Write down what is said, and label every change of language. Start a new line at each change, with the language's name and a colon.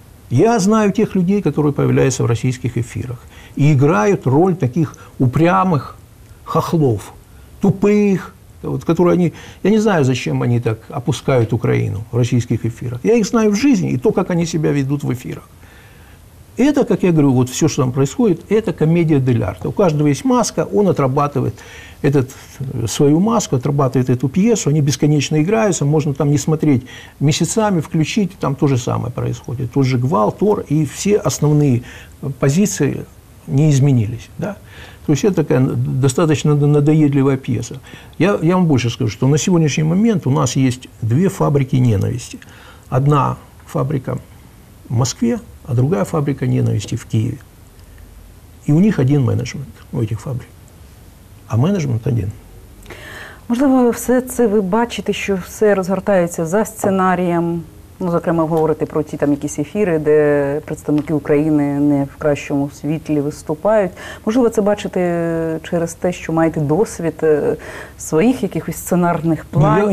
Ukrainian: Я знаю тих людей, які з'являються в російських ефірах і грають роль таких упрямих хахлов, тупих, я не знаю, зачем вони так опускають Україну в російських ефірах. Я їх знаю в житті і то, як вони себе ведуть в ефірах.
Russian: Это, как я говорю, вот все, что там происходит, это комедия дель арте. У каждого есть маска, он отрабатывает свою маску, отрабатывает эту пьесу, они бесконечно играются, можно там не смотреть месяцами, включить, там то же самое происходит. Тот же гвалт, тор, и все основные позиции не изменились. Да? То есть это такая достаточно надоедливая пьеса. Я вам больше скажу, что на сегодняшний момент у нас есть две фабрики ненависти. Одна фабрика в Москве, а другая фабрика ненависти в Киеве. И у них один менеджмент у этих фабрик. А менеджмент один.
Ukrainian: Можливо, все це ви бачите, що все розгортається за сценарієм. Ну, зокрема, говорити про ті там якісь ефіри, де представники України не в кращому світлі виступають. Можливо, це бачите через те, що маєте досвід своїх якихось сценарних планів.